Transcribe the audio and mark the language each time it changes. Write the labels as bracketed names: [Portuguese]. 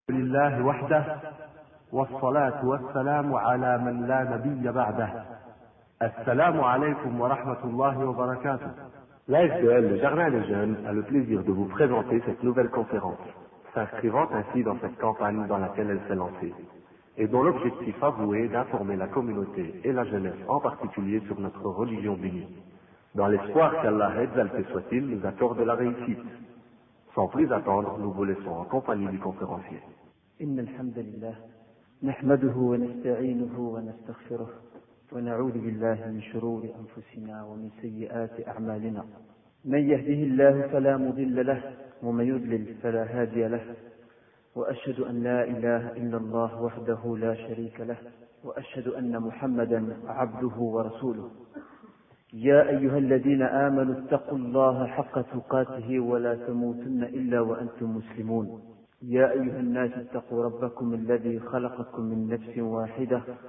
[Arabic] لله وحده، والصلاة والسلام على من لا نبي بعده. السلام عليكم ورحمة الله وبركاته. [French] La FDL, le Jardin des Jeunes, a le plaisir de vous présenter cette nouvelle conférence, s'inscrivant ainsi dans cette campagne dans laquelle elle s'est lancée, et dont l'objectif avoué est d'informer la communauté et la jeunesse en particulier sur notre religion bénie. Dans l'espoir qu'Allah, exalté soit-il, nous accorde la réussite. Sans plus attendre, nous vous laissons en compagnie du conférencier. [Arabic] Inna alhamdulillah, nahmaduhu wa nasta'inuhu wa nastaghfiruh. ونعوذ بالله من شرور أنفسنا ومن سيئات أعمالنا من يهده الله فلا مضل له ومن يضلل فلا هادي له وأشهد أن لا إله إلا الله وحده لا شريك له وأشهد أن محمدا عبده ورسوله يا أيها الذين آمنوا اتقوا الله حق تقاته ولا تموتن إلا وأنتم مسلمون يا أيها الناس اتقوا ربكم الذي خلقكم من نفس واحدة